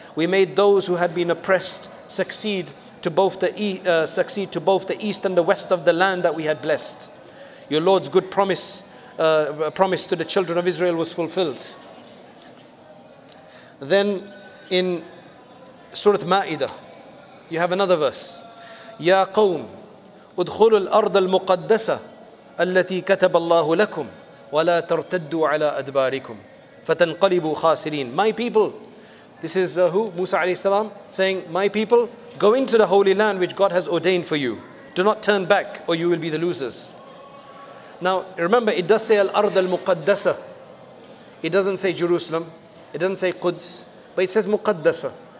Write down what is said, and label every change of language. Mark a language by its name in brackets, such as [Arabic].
[English] We made those who had been oppressed succeed to both the east and the west of the land that we had blessed. Your Lord's good promise to the children of Israel was fulfilled. Then in Surah Ma'idah, you have another verse. [Arabic] يَا قَوْمْ أُدْخُلُوا الْأَرْضَ الْمُقَدَّسَةَ الَّتِي كَتَبَ اللَّهُ لَكُمْ وَلَا تَرْتَدُّوا عَلَىٰ أَدْبَارِكُمْ فَتَنْقَلِبُوا خَاسِرِينَ. [English] My people, This is who? Musa alayhi salam saying, my people, go into the holy land which God has ordained for you. Do not turn back or you will be the losers. Now, remember, it does say al-ard al-muqaddasa. It doesn't say Jerusalem. It doesn't say Quds. But it says muqaddasa.